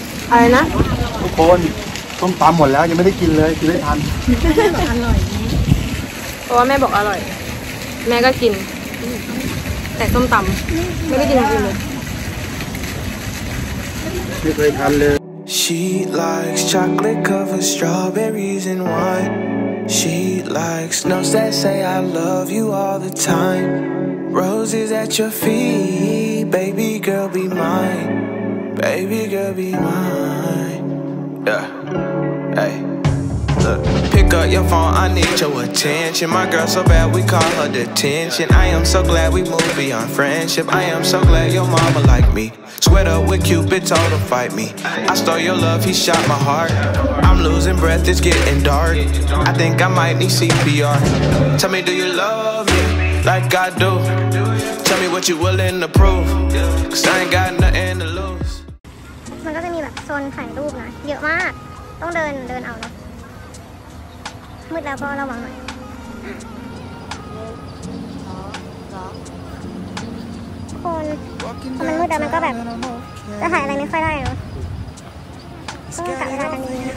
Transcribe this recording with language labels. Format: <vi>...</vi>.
<th>อะไรนะ ทุกคนต้มตามหมดแล้วยังไม่ได้กินเลยกินไม่ทัน อร่อย เพราะว่าแม่บอกอร่อยแม่ก็กินแต่ต้มตำไม่ได้กินเลย ไม่เคยทานเลย</th> <en>She likes chocolate covered strawberries and wine She likes notes that say I love you all the time Roses at your feet baby girl be mine baby girl be mine yeahHey, look, pick up your phone, I need your attention My girl so bad, we call her detention I am so glad we moved beyond friendship I am so glad your mama like me Sweat up with Cupid, told him fight me I stole your love, he shot my heart I'm losing breath, it's getting dark I think I might need CPR Tell me, do you love me like I do? Tell me what you willing to prove Cause I ain't got nothing to lose</en> <th>แบบโซนถ่ายรู ปนะเยอะมากต้องเดินเอาเนาะมืดแล้วพ่อระวังหน่อยคนพอมันมืดแล้วมันก็แบบจะถ่ายอะไรไม่ค่อยได้เนาะต้องจับเวลากันดี</th>